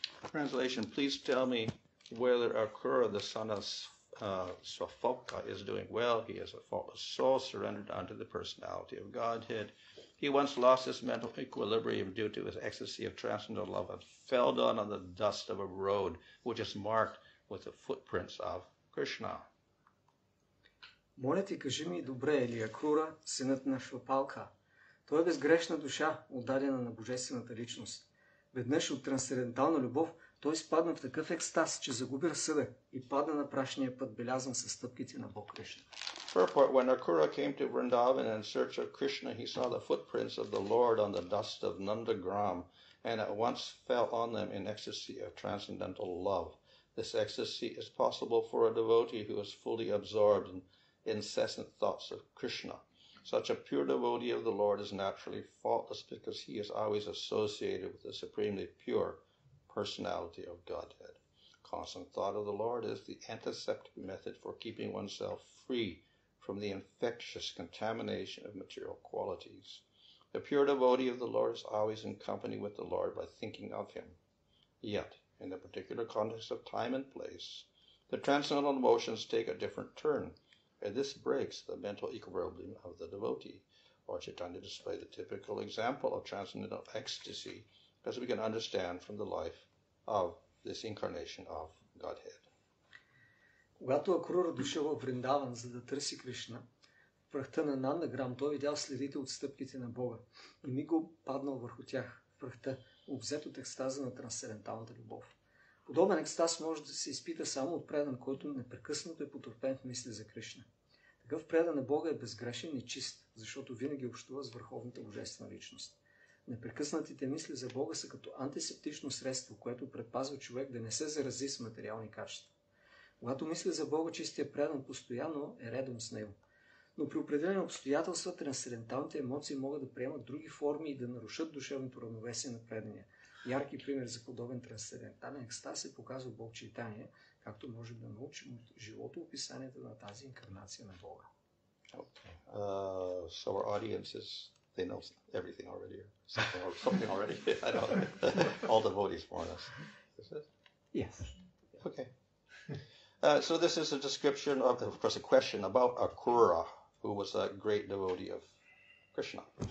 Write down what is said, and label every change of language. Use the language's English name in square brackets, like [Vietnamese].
[English] Translation, please tell me whether Akura, the son of Svafalka, is doing well. He is a faultless soul surrendered unto the personality of Godhead. He once lost his mental equilibrium due to his ecstasy of transcendental love and fell down on the dust of a road which is marked with the footprints of Кришна. [Bulgarian] Моля ти, кажи ми, добре е ли Акура, синът на Швапалка? Той е безгрешна душа, отдадена на божествената личност. Веднъж от трансцендентална любов, той спадна в такъв екстаз, че загуби разсъда и падна на прашния път, белязан със стъпките на Бог Кришна. [English] Purport, when Akura came to Vrindavan in search of Krishna, he saw the footprints of the Lord on the dust of Nandagram and at once fell on them in ecstasy of transcendental love. This ecstasy is possible for a devotee who is fully absorbed in incessant thoughts of Krishna. Such a pure devotee of the Lord is naturally faultless because he is always associated with the supremely pure personality of Godhead. Constant thought of the Lord is the antiseptic method for keeping oneself free from the infectious contamination of material qualities. A pure devotee of the Lord is always in company with the Lord by thinking of him. Yet, in the particular context of time and place, the transcendental emotions take a different turn, and this breaks the mental equilibrium of the devotee. Lord Chaitanya displayed the typical example of transcendental ecstasy, as we can understand from the life of this incarnation of Godhead. [Bulgarian] Когато Акрура дошъл във Вриндаван, за да търси Кришна, в прахта на Нандаграм той видял следите от стъпките на Бога и миго паднал върху тях в прахта, обзет от екстаза на трансценденталната любов. Подобен екстаз може да се изпита само от предан, който непрекъснато е потърпен в мисли за Кришна. Такъв предан на Бога е безгрешен и чист, защото винаги общува с върховната божествена личност. Непрекъснатите мисли за Бога са като антисептично средство, което предпазва човек да не се зарази с материални качества. Когато мисли за Бога, чистия предан постоянно е редом с него. Но при определени обстоятелства трансценденталните емоции могат да приемат други форми и да нарушат душевното равновесие на предания. Яркий пример за подобен трансцендентален екстаз се показва Бог Чайтания, както можем да научим от живото описанието на тази инкарнация на Бога. [English] So our audience is, they know everything already, something already. I know all the devotees for us. Is it? Yes. Okay. So this is a description of course, a question about Akura, who was a great devotee of Krishna.